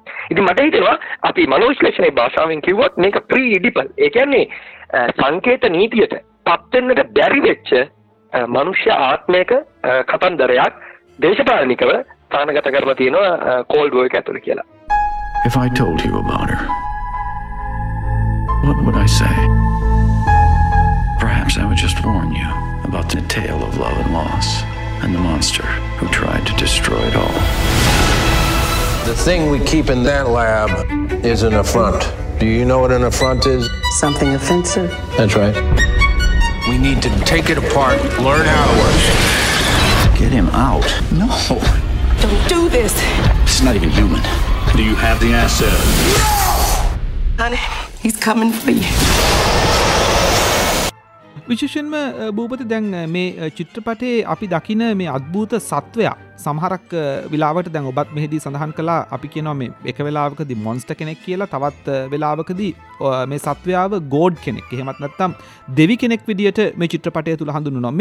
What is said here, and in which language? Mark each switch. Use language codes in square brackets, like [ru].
[si] ඉතින් මට හිතෙනවා අපි මනෝවිශ්ලේෂණයේ භාෂාවෙන් කිව්වොත් මේක ප්‍රී ඉඩිපල්. ඒ කියන්නේ සංකේත නීතියට පත් වෙන්නට බැරි වෙච්ච මනුෂ්‍ය ආත්මයක කතන්දරයක් දේශපාලනිකව තානගත කරලා තියෙනවා කෝල්ඩ් වෝ එක ඇතුළේ කියලා. [en] If I told you about her, what would I say? Perhaps I would just warn you about the tale of love and loss and the monster who tried to destroy it all. The thing we keep in that lab is an affront. Do you know what an affront is? Something offensive. That's right. We need to take it apart, learn how to work. Get him out. No. Don't do this. It's not even human. Do you have the asset? No! Honey, he's coming for you. [si] විශේෂයෙන්ම භූපත දැන් මේ චිත්‍රපටයේ අපි දකින මේ අද්භූත සත්වයා සමහරක් වෙලාවට දැන් ඔබත් මෙහිදී සඳහන් කළා අපි කියනවා මේ එක වෙලාවකදී මොන්ස්ටර් කෙනෙක් කියලා, තවත් වෙලාවකදී මේ සත්වයාව ගෝඩ් කෙනෙක්, එහෙමත් නැත්නම් දෙවි කෙනෙක් විදියට මේ චිත්‍රපටය තුළ හඳුන්වනවා.